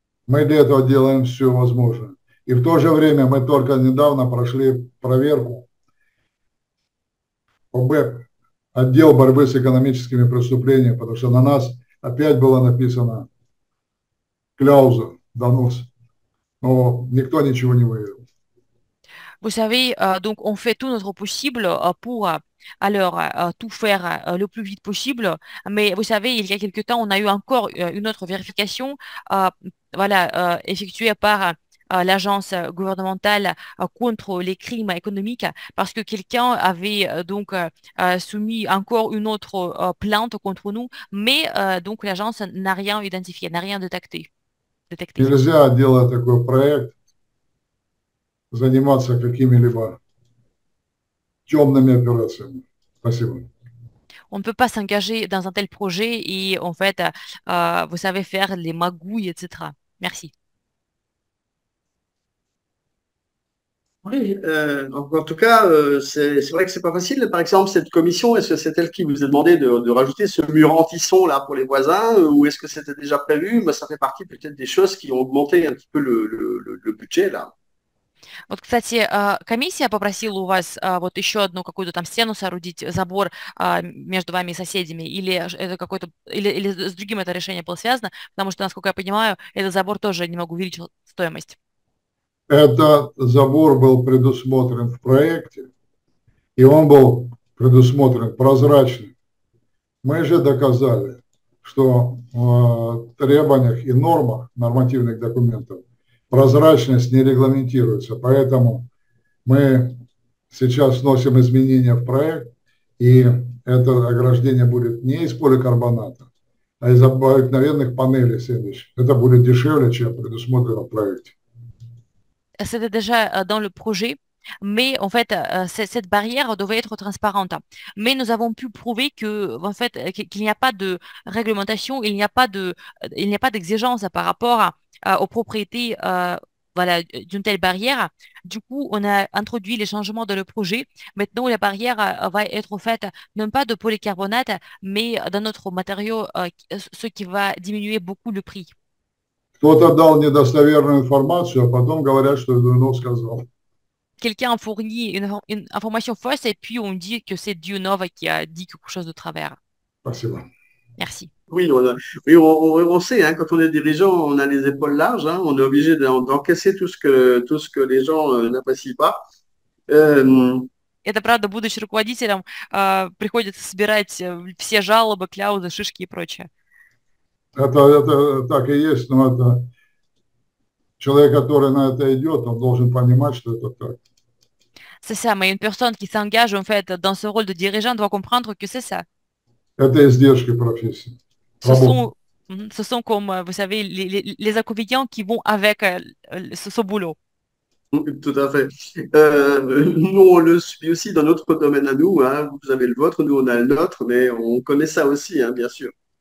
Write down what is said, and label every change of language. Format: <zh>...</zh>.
<ru>Мы для этого делаем все возможное. И в то же время мы только недавно прошли проверку по БЭП. Отдел борьбы с экономическими преступлениями, потому что на нас опять была написана кляуза, донос, но никто ничего не выявил.</ru> <fr>Vous savez, donc on fait tout notre possible pour tout faire le plus vite possible. Mais vous savez, il y a quelque temps, on a eu encore une autre vérification voilà, effectuée par l'agence gouvernementale contre les crimes économiques parce que quelqu'un avait donc soumis encore une autre plainte contre nous. Mais donc l'agence n'a rien identifié, n'a rien détecté.</fr> <ru>Нельзя, делая такой проект, заниматься какими-либо темными операциями. Спасибо.</ru> <fr>On ne peut pas s'engager dans un tel projet et en fait, vous savez faire les magouilles, etc. Merci. Oui, en tout cas, c'est vrai que c'est pas facile. Par exemple, cette commission, est-ce que c'est elle qui vous a demandé de rajouter ce mur anti-son là pour les voisins, ou est-ce que c'était déjà prévu? Mais ça fait partie peut-être des choses qui ont augmenté un petit peu le budget là.</fr> <ru>Вот, кстати, комиссия попросила у вас вот еще одну какую-то там стену соорудить, забор между вами и соседями, или это какое-то, или с другим это решение было связано, потому что, насколько я понимаю, этот забор тоже немного увеличил стоимость. Этот забор был предусмотрен в проекте, и он был предусмотрен прозрачным. Мы же доказали, что в требованиях и нормах нормативных документов прозрачность не регламентируется. Поэтому мы сейчас вносим изменения в проект, и это ограждение будет не из поликарбоната, а из обыкновенных панелей следующих. Это будет дешевле, чем предусмотрено в проекте.</ru> <fr>C'était déjà dans le projet, mais en fait, cette barrière devait être transparente. Mais nous avons pu prouver que, en fait, qu'il n'y a pas de réglementation, il n'y a pas d'exigence par rapport aux propriétés voilà, d'une telle barrière. Du coup, on a introduit les changements dans le projet. Maintenant, la barrière va être faite non pas de polycarbonate, mais d'un autre matériau, ce qui va diminuer beaucoup le prix.</fr> <ru>Кто-то дал недостоверную информацию, а потом говорят, что Дюнов сказал.</ru> <fr>Quelqu'un fournit une information fausse et puis on dit que c'est Dionov qui a dit quelque chose de travers.</fr> <ru>Spasibo.</ru> <fr>Merci. Oui, on sait, hein, quand on est dirigeant, on a les épaules larges, hein, on est obligé d'encaisser tout ce que les gens n'apprécient pas.</fr> <ru>Это правда, будучи руководителем, приходится собирать все жалобы, кляузы, шишки и прочее. Это так и есть, но это человек, который на это идет, он должен понимать, что это так.</ru> <fr>C'est ça, mais une personne qui s'engage en fait dans ce rôle de dirigeant doit comprendre que c'est ça.</fr> <ru>Это издержки профессии, работы.</ru> <fr>Ce sont comme, вous savez, les inconvénients qui vont avec ce boulot. Tout à fait. Nous, on le subit aussi dans notre domaine à nous, hein. Vous avez le vôtre, nous, on a le nôtre, mais on connaît ça aussi, hein, bien sûr.</fr>